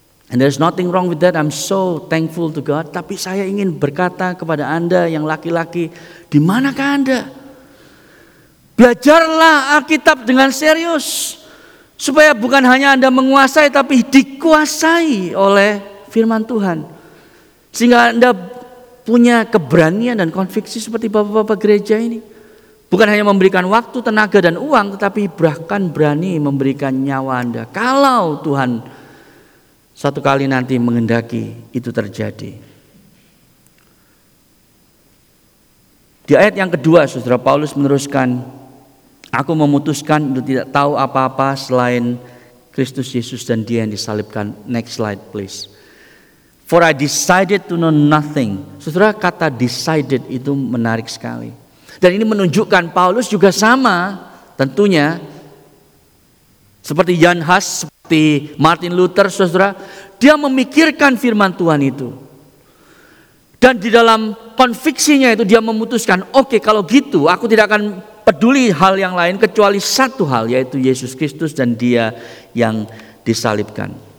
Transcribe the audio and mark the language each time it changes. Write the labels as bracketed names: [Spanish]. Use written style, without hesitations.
[English] And there's nothing wrong with that, I'm so thankful to God. [Indonesian] Tapi saya ingin berkata kepada Anda yang laki-laki, di manakah Anda? Belajarlah Alkitab dengan serius, supaya bukan hanya Anda menguasai, tapi dikuasai oleh firman Tuhan. Sehingga Anda punya keberanian dan konviksi seperti bapak-bapak gereja ini. Bukan hanya memberikan waktu, tenaga, dan uang, tetapi bahkan berani memberikan nyawa Anda. Kalau Tuhan satu kali nanti mengendaki itu terjadi. Di ayat yang kedua, saudara, Paulus meneruskan, aku memutuskan untuk tidak tahu apa-apa selain Kristus Yesus dan dia yang disalibkan. [English] Next slide, please. For I decided to know nothing. [Indonesian] Saudara, kata decided itu menarik sekali. Dan ini menunjukkan Paulus juga sama tentunya. Seperti Jan Hus, seperti Martin Luther, saudara. Dia memikirkan firman Tuhan itu. Dan di dalam konviksinya itu dia memutuskan, oke, kalau gitu aku tidak akan peduli hal yang lain kecuali satu hal, yaitu Yesus Kristus dan dia yang disalibkan.